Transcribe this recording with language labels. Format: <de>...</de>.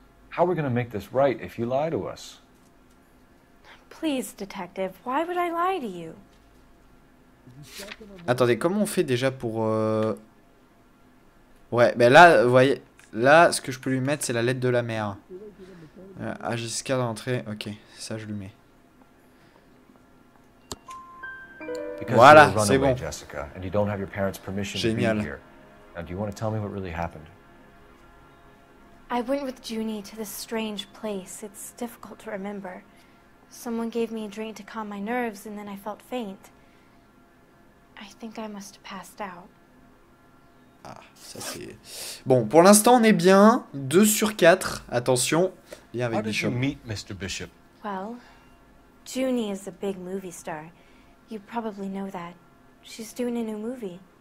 <en>How are we going to make this right if you lie to us? Please, detective, why would I lie to you?</en> <fr>Attendez, comment on fait déjà pour... Ouais, mais là, vous voyez, là, ce que je peux lui mettre, c'est la lettre de la mère. Ah, Jessica d'entrée, ok, ça je lui mets. Voilà, c'est bon.</fr> <en>Jessica, and you don't have your parents' permission to be here. Now, do you want to tell me what really happened? I went with Junie to this strange place. It's difficult to remember. Someone gave me a drink to calm my nerves, and then I felt faint. I think I must have passed out.</en> <fr>Ah, ça c'est... Bon, pour l'instant, on est bien. 2 sur 4. Attention. Lien avec Bishop.</fr> <en>How did you meet Mr. Bishop? Well, Junie is a big movie star. You probably know that. She's doing a new movie.</en>